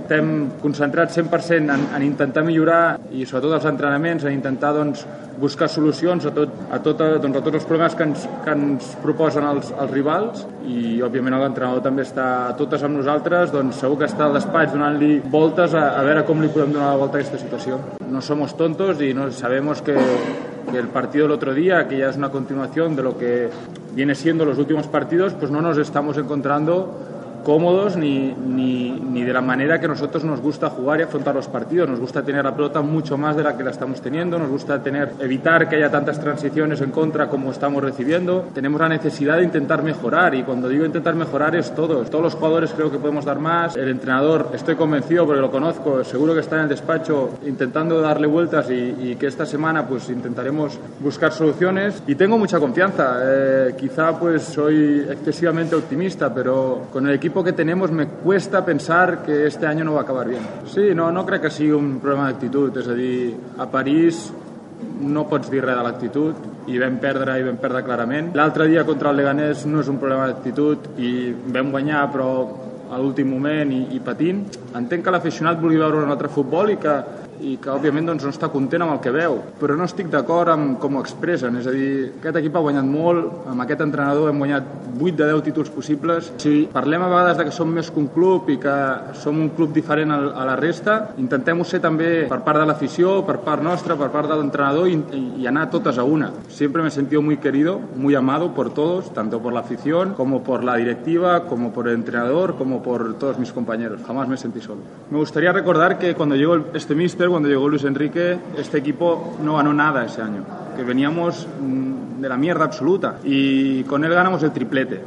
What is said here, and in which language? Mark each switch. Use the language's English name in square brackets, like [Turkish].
[Catalan] Estem concentrats 100% en intentar millorar i sobretot els entrenaments, en intentar doncs, buscar solucions a tots els problemes que ens proposen els rivals. I òbviament l'entrenador també està a totes amb nosaltres, doncs segur que està al despatx donant-li voltes a veure com li podem donar la volta a aquesta situació. [Spanish] No somos tontos i no sabemos que el partido del otro día, que ya es una continuación de lo que viene siendo los últimos partidos, pues no nos estamos encontrando cómodos ni de la manera que a nosotros nos gusta jugar y afrontar los partidos. Nos gusta tener la pelota mucho más de la que la estamos teniendo, nos gusta evitar que haya tantas transiciones en contra como estamos recibiendo. Tenemos la necesidad de intentar mejorar, y cuando digo intentar mejorar es todos los jugadores creo que podemos dar más. El entrenador, estoy convencido porque lo conozco, seguro que está en el despacho intentando darle vueltas y que esta semana pues intentaremos buscar soluciones, y tengo mucha confianza. Quizá pues soy excesivamente optimista, pero con el equipo que tenemos me cuesta pensar que este año no va a acabar bien. [Catalan] Sí, no crec que sigui un problema d'actitud, és a dir, a París no pots dir res de l'actitud i vam perdre clarament. L'altre dia contra el Leganés no és un problema d'actitud i vam guanyar però a l'últim moment i patint. Entenc que l'aficionat vulgui veure un altre futbol i que òbviament doncs, no està content amb el que veu, però no estic d'acord amb com ho expressen. És a dir, aquest equip ha guanyat molt, amb aquest entrenador hem guanyat 8 de 10 títols possibles. Si parlem a vegades de que som més que un club i que som un club diferent a la resta, intentem-ho ser també per part de l'afició, per part nostra, per part de l'entrenador i anar totes a una. Sempre m'he sentit [Spanish] muy querido, muy amado por todos, tanto por la afición, como por la directiva, como por el entrenador, como por todos mis compañeros. Jamás me sentí solo. Me gustaría recordar que cuando llegó este míster, cuando llegó Luis Enrique, este equipo no ganó nada ese año, que veníamos de la mierda absoluta y con él ganamos el triplete.